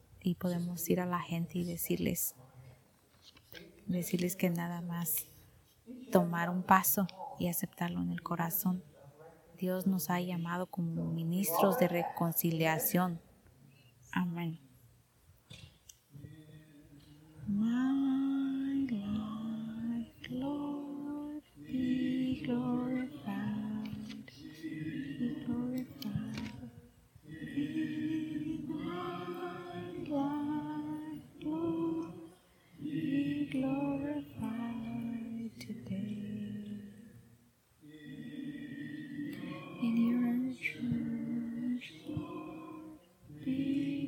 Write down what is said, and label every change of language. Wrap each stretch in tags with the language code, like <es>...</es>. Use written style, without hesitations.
<es>Y podemos ir a la gente y decirles que nada más tomar un paso y aceptarlo en el corazón. Dios nos ha llamado como ministros de reconciliación. Amén.</es> <en>My life, Lord, be glorified. Be glorified. Be my life, Lord, be glorified today. In your church, Lord, be</en>